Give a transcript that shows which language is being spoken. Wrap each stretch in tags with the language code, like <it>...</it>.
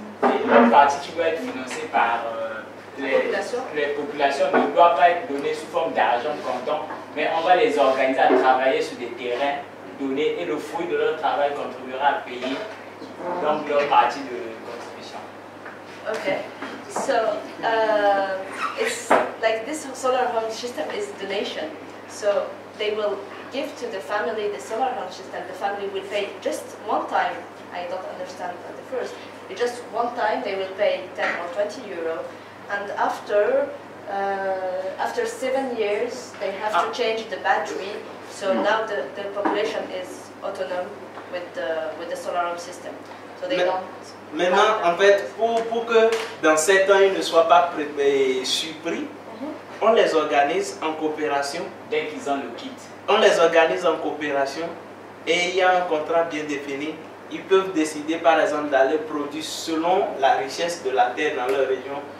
<fr>Et une partie qui doit être financée par les populations ne doit pas être donnée sous forme d'argent comptant, mais on va les organiser à travailler sur des terrains donnés et le fruit de leur travail contribuera à payer donc leur partie de contribution.</fr> <en>Ok. So, it's like this solar home system is donation. So, they will give to the family the solar home system. The family will pay just one time. I don't understand at the first. It just one time they will pay 10 or 20 euro. And after after 7 years, they have to change the battery. So now the population is autonomous with the solar home system. So they</en> <fr>Maintenant, en fait, pour que dans 7 ans, ils ne soient pas surpris, on les organise en coopération. Dès qu'ils ont le kit. On les organise en coopération et il y a un contrat bien défini. Ils peuvent décider, par exemple, d'aller produire selon la richesse de la terre dans leur région.</fr>